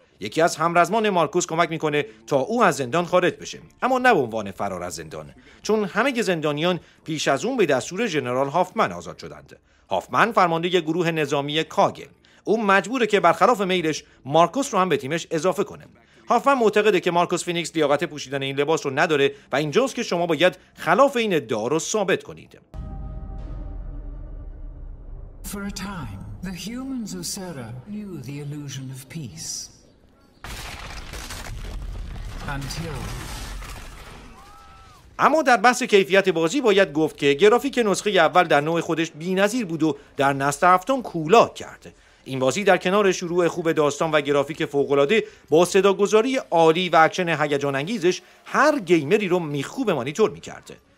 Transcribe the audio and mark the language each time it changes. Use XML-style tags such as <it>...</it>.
<fa>یکی از همرزمان مارکوس کمک میکنه تا او از زندان خارج بشه، اما نه به عنوان فرار از زندان، چون همه زندانیان پیش از اون به دستور جنرال هافمن آزاد شدند. هافمن فرمانده گروه نظامی کاگل. او مجبوره که برخلاف میلش مارکوس رو هم به تیمش اضافه کنه. هافمن معتقده که مارکوس فینیکس لیاقت پوشیدن این لباس رو نداره و اینجاست که شما باید خلاف این ادعا رو ثابت کنید.</fa> <en>For a time, the humans of Sera knew the illusion of peace.</en> <fa>اما در بحث کیفیت بازی باید گفت که گرافیک نسخه اول در نوع خودش بی‌نظیر بود و در نسل هفتم کولا کرد. این بازی در کنار شروع خوب داستان و گرافیک فوق‌العاده با صداگذاری عالی و اکشن هیجان انگیزش هر گیمری رو میخوب مانیتور میکرد.</fa>